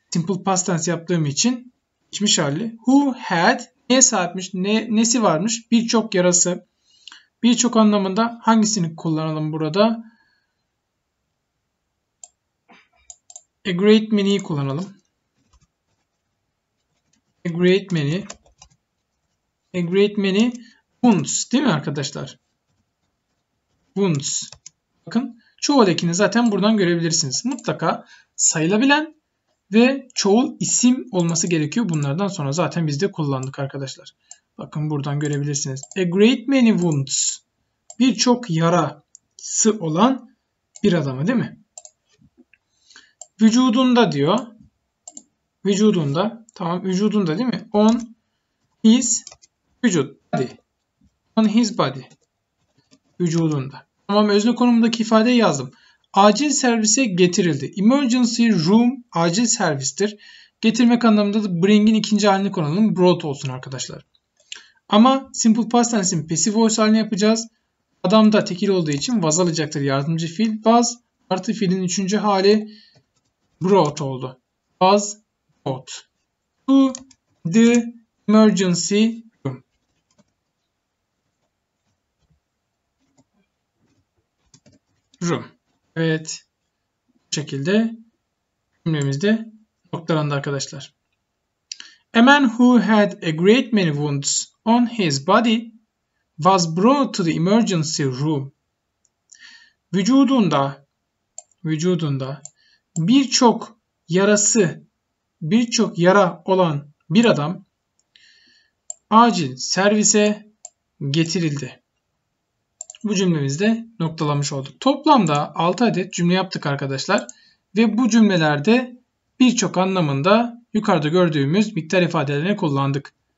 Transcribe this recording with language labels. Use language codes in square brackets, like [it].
[tr] Simple past tense yaptığım için. Geçmiş hali. [en] Who had [tr] neye sahipmiş? Nesi varmış? Birçok yarası. Birçok anlamında hangisini kullanalım burada? [en] A great many'i [tr] kullanalım. [en] A great many. A great many wounds. [tr] Değil mi arkadaşlar? Wounds. Bakın çoğaldakini zaten buradan görebilirsiniz. Mutlaka sayılabilen ve çoğul isim olması gerekiyor. Bunlardan sonra zaten biz de kullandık arkadaşlar. Bakın buradan görebilirsiniz. [en] A great many wounds. [tr] Birçok yarası olan bir adamı değil mi? Vücudunda diyor. Vücudunda. Tamam vücudunda değil mi? [en] On his [tr] vücut. [en] Body. On his body. [tr] Vücudunda. Tamam özne konumundaki ifadeyi yazdım. Acil servise getirildi. Emergency room acil servistir. Getirmek anlamında da bring'in ikinci halini kullanalım. Brought olsun arkadaşlar. Ama simple past tense'in passive voice halini yapacağız. Adam da tekil olduğu için was alacaktır. Yardımcı fiil was artı fiilin üçüncü hali brought oldu. [en] Was brought to the emergency. Room. [tr] Evet. Bu şekilde cümlemizde noktalandı arkadaşlar. [en] A man who had a great many wounds on his body was brought to the emergency room. [tr] Vücudunda birçok yara olan bir adam acil servise getirildi. Bu cümlemizde noktalamış olduk. Toplamda 6 adet cümle yaptık arkadaşlar ve bu cümlelerde birçok anlamında yukarıda gördüğümüz miktar ifadelerini kullandık.